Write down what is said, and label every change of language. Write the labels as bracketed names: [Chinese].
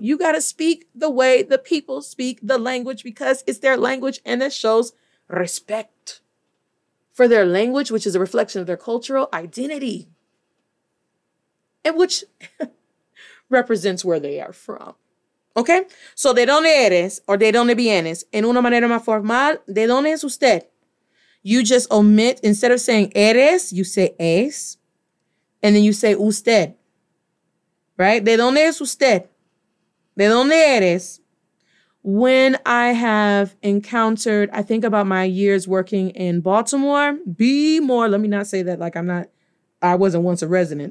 [English] You got to speak the way the people speak the language because it's their language and it shows respect for their language, which is a reflection of their cultural identity, and which represents where they are from. Okay? [Spanish] So, de dónde eres or de dónde vienes, en una manera más formal, de dónde es usted? [English] You just omit, instead of saying eres, you say es, and then you say usted, right? [Spanish] ¿De dónde es usted? ¿De dónde eres? [English] When I have encountered, I think about my years working in Baltimore, B-more, let me not say that like I wasn't once a resident.